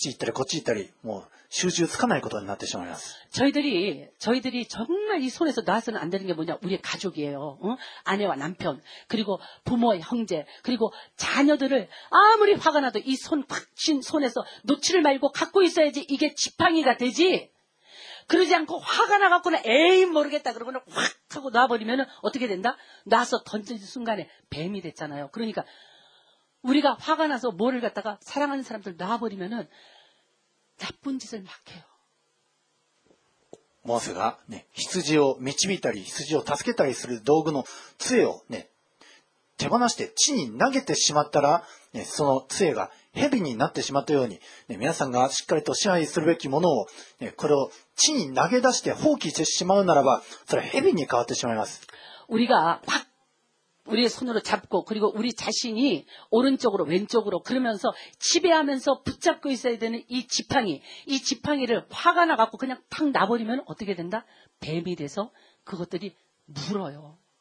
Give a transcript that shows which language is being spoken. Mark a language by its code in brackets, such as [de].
[ja] 皆さんね、掴むべきものを掴んでいないと。イエス様の名前によって蛇を掴んでいないとですね、蛇はもう、のたうち回って好き放題、くねくねくねくね、あっち行ったりこっち行ったり、もう集中つかないことになってしまいます。 [ko] 저희들이, 저희들이 정말 이 손에서 나와서는 안 되는 게 뭐냐? 우리의 가족이에요. 응? 아내와 남편, 그리고 부모의 형제, 그리고 자녀들을 아무리 화가 나도 이 손 팍 친 손에서 놓지를 말고 갖고 있어야지 이게 지팡이가 되지? 그러지 않고 화가 나갖고는 에이 모르겠다 그러고는 확 하고 놔버리면은 어떻게 된다? 놔서 던진 순간에 뱀이 됐잖아요. 그러니까 우리가 화가 나서 뭐를 갖다가 사랑하는 사람들 놔버리면은 나쁜 짓을 막 해요. 모세가 네, [ja] 羊を導いたり羊を助けたりする道具の杖をね、手放して地に投げてしまったら、その杖が 蛇になってしまったように、皆さんがしっかりと支配するべきものを、これを地に投げ出して放棄してしまうならば、それは蛇に変わってしまいます。 [ko] 우리가 확 우리의 손으로 잡고 그리고 우리 자신이 오른쪽으로 왼쪽으로 그러면서 지배하면서 붙잡고 있어야 되는 이 지팡이, 이 지팡이를 화가 나갖고 그냥 탁 놔버리면 어떻게 된다? 뱀이 돼서 그것들이 물어요.